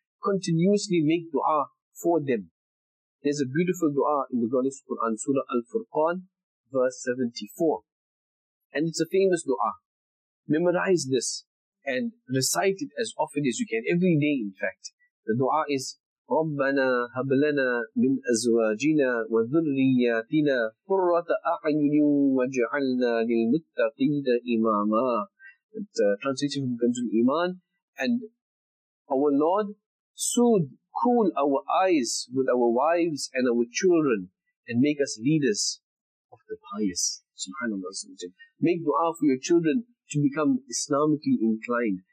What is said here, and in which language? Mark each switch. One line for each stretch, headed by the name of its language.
English: Continuously make dua for them. There's a beautiful dua in the Godless Quran, Surah Al-Furqan, verse 74. And it's a famous dua. Memorize this and recite it as often as you can, every day in fact. The dua is,
Arabic: رَبَّنَا هَبْلَنَا مِنْ أَزْوَاجِنَا وَذُرِّيَّاتِنَا قُرَّةَ أَعْيُنٍ وَجْعَلْنَا لِلْمُتَّقِينَ إِمَامًا.
English: It translates from Kanzul Iman. And our Lord, soothe, cool our eyes with our wives and our children and make us leaders of the pious. SubhanAllah. Make dua for your children to become Islamically inclined.